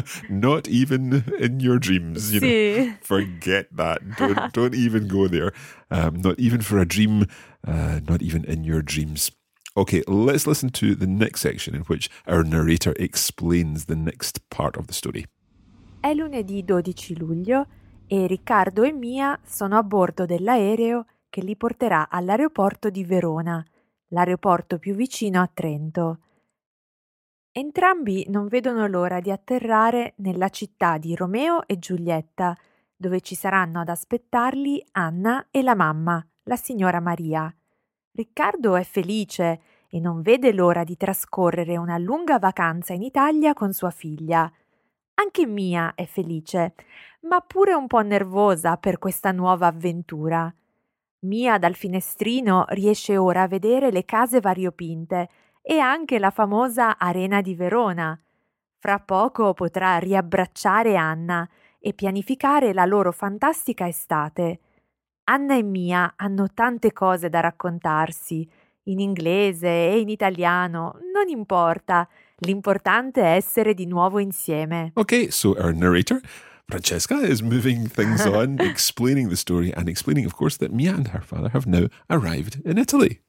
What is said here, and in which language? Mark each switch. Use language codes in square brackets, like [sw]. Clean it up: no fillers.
[en] Not even in your dreams, you [it] sì. [en] Know. Forget that. Don't even go there. Not even for a dream. Not even in your dreams. Okay, let's listen to the next section in which our narrator explains the next part of the story. [it] È lunedì 12 luglio e Riccardo e Mia sono a bordo dell'aereo che li porterà all'aeroporto di Verona, l'aeroporto più vicino a Trento. Entrambi non vedono l'ora di atterrare nella città di Romeo e Giulietta, dove ci saranno ad aspettarli Anna e la mamma, la signora Maria. Riccardo è felice e non vede l'ora di trascorrere una lunga vacanza in Italia con sua figlia. Anche Mia è felice, ma pure un po' nervosa per questa nuova avventura. Mia dal finestrino riesce ora a vedere le case variopinte e anche la famosa Arena di Verona. Fra poco potrà riabbracciare Anna e pianificare la loro fantastica estate. Anna e Mia hanno tante cose da raccontarsi, in inglese e in italiano, non importa, l'importante è essere di nuovo insieme. [en] Okay, so our narrator, Francesca, is moving things on, explaining the story and explaining, of course, that Mia and her father have now arrived in Italy.